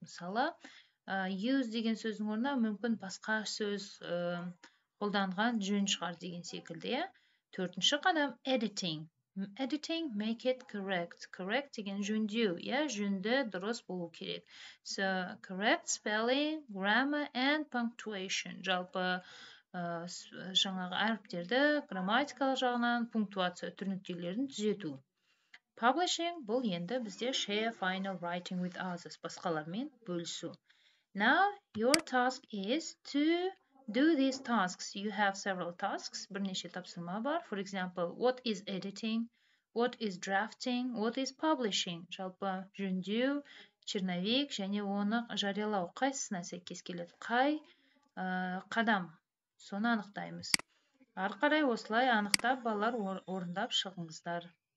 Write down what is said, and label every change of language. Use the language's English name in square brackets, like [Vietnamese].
[Kazakh] Мысалы, use деген сөздің орнына мүмкін басқа сөз қолданған жөн шығар деген секілді, иә? Төртінші қадам editing. [English] Editing, make it correct. [Kazakh] Correct деген жөндеу, иә, жөнді дұрыс болу керек. [English] So, correct spelling, grammar and punctuation. [Kazakh] Жалпы, жаңағы әріптерді грамматикалық жағынан пунктуация түрнектерін түзету. [English] Publishing, [Kazakh] бұл енді бізде [English] share final writing with others, [Kazakh] басқалармен бөлісу. [English] Now, your task is to do these tasks. You have several tasks. [Kazakh] Бірнеше тапсырма бар. [English] For example, what is editing? What is drafting? What is publishing? [Kazakh] Жалпы жөндеу, черновик және оны жариялау қайсысына сәйкес келеді? Қай қадам? Соны анықтаймыз. Ары қарай осылай анықтап, балалар орындап шығыңыздар.